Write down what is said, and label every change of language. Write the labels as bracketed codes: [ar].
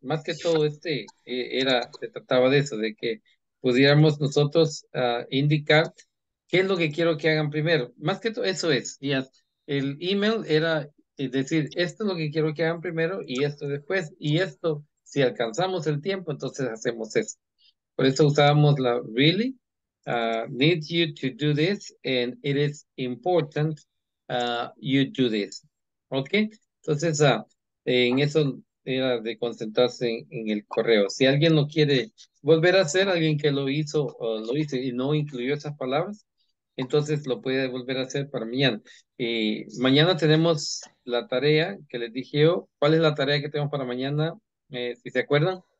[es] Más que todo se trataba de eso, de que pudiéramos nosotros indicar qué es lo que quiero que hagan primero. Más que todo eso es. Yes. El email era Es decir, esto es lo que quiero que hagan primero y esto después. Y esto, si alcanzamos el tiempo, entonces hacemos esto. Por eso usábamos la [en] really, need you to do this, and it is important you do this. Okay? [es] Entonces, en eso era de concentrarse en el correo. Si alguien lo quiere volver a hacer, alguien que lo hizo y no incluyó esas palabras, entonces lo puede volver a hacer para mañana. Mañana tenemos la tarea que les dije yo. ¿Cuál es la tarea que tenemos para mañana? Si se acuerdan.